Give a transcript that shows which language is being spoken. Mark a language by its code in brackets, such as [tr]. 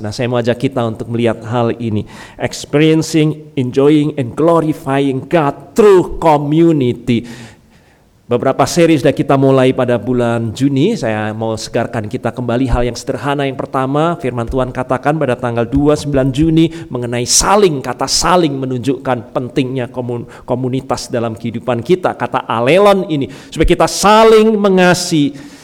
[id] Nah, saya mau ajak kita untuk melihat hal ini. [en] Experiencing, enjoying, and glorifying God through community. [id] Beberapa seri sudah kita mulai pada bulan Juni. Saya mau segarkan kita kembali hal yang sederhana. Yang pertama, firman Tuhan katakan pada tanggal 29 Juni mengenai saling. Kata saling menunjukkan pentingnya komunitas dalam kehidupan kita. Kata alelon ini, supaya kita saling mengasihi.